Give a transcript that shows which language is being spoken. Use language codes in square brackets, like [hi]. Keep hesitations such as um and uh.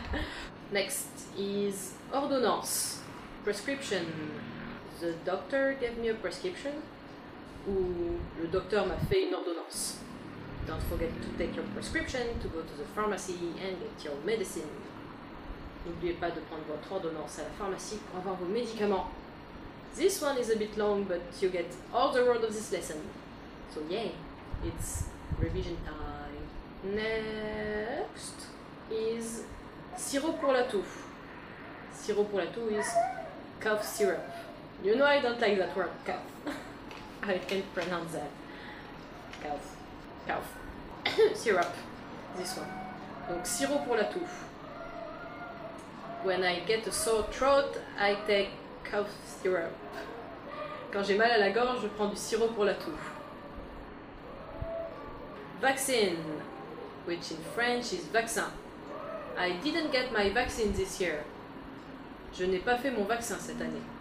[en] Next is ordonnance, prescription. The doctor gave me a prescription, [fr] ou le docteur m'a fait une ordonnance. [en] Don't forget to take your prescription, to go to the pharmacy and get your medicine. [fr] N'oubliez pas de prendre votre ordonnance à la pharmacie pour avoir vos médicaments. [en] This one is a bit long, but you get all the word of this lesson. So yeah, it's revision time. Next is [fr] sirop pour la toux. Sirop pour la toux [en] is cough syrup. You know I don't like that word, cough. I can't pronounce that. Cough. Cough. syrup. This one. [fr] Donc sirop pour la toux. [en] When I get a sore throat, I take cough syrup. [fr] Quand j'ai mal à la gorge, je prends du sirop pour la toux. [en] Vaccine. which in French is vaccin. I didn't get my vaccine this year. [fr] Je n'ai pas fait mon vaccin cette année.